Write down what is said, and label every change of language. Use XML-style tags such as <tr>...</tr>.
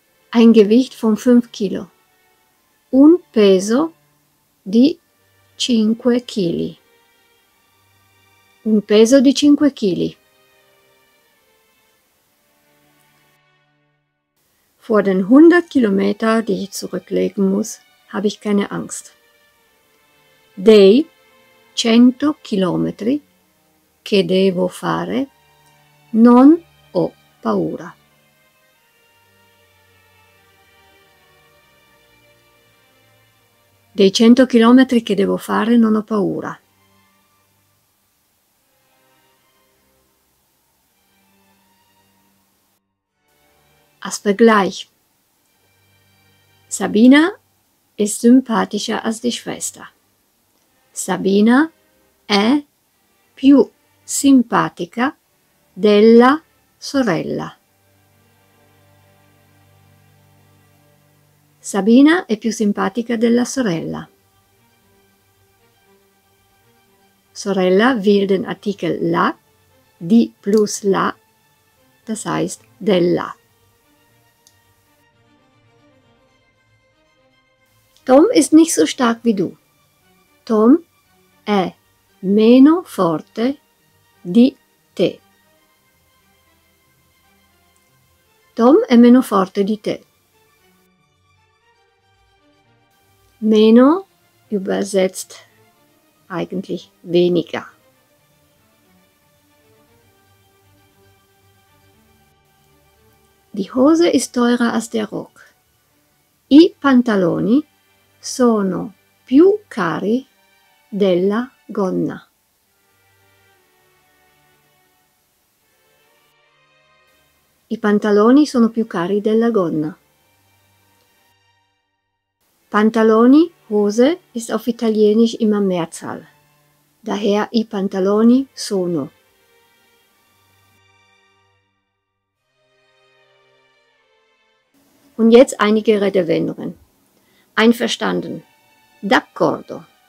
<de>Ein Gewicht von 5 kg.</de> <it>Un peso di 5 kg. Un peso di 5 kg.</it> <de>Vor den 100 km, die ich zurücklegen muss, habe ich keine Angst.</de> <it>Dei 100 km che devo fare, non ho paura. Dei 100 km che devo fare, non ho paura.</it> <de>Als Vergleich. Sabina ist sympathischer als die Schwester.</de> <it>Sabina è più simpatica della sorella. Sabina è più simpatica della sorella.</it> <de>Sorella will den Artikel la, di plus la, das heißt della. Tom ist nicht so stark wie du.</de> <it>Tom è meno forte di te. Tom è meno forte di te.</it> <de>Meno übersetzt eigentlich weniger. Die Hose ist teurer als der Rock.</de> <it>I pantaloni sono più cari della gonna. I pantaloni sono più cari della gonna.</it> <de>Pantaloni, Hose, ist auf Italienisch immer Mehrzahl.</de> <it>Daher i pantaloni sono.</it> <de>Und jetzt einige Redewendungen. Einverstanden. D'accordo.</de>